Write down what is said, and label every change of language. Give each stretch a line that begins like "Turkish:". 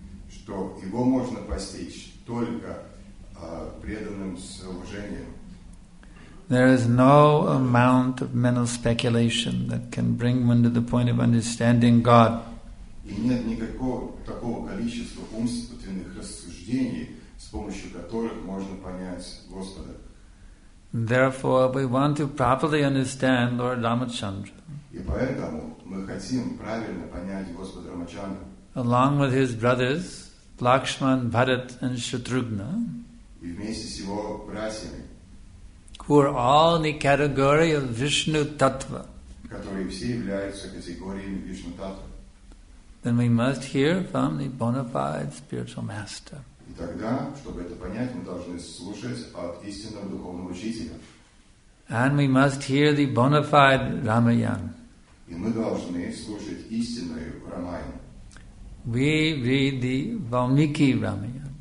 Russian: Что его можно постичь только преданным с уважением.
English: There is no amount of mental speculation that can bring one to the point of understanding God.
Russian: И нет никакого такого количества умственных рассуждений, с помощью которых можно понять Господа.
English: Therefore, we want to properly understand Lord Ramachandra.
Russian: И поэтому мы хотим правильно понять Господа Рамачандру.
English: Along with his brothers, Lakshman, Bharat, and Shatrughna.
Russian: И вместе с его братьями.
English: Who are all in the category of Vishnu Tattva.
Russian: Которые все являются категориями Вишну Таттва.
English: Then we must hear from the bona fide spiritual master.
Russian: И тогда, чтобы это понять, мы должны слушать от истинного духовного учителя.
English: And we must hear the bona fide Ramayana.
Russian: И мы должны слушать истинную Рамаяну.
English: We read the Valmiki Ramayana.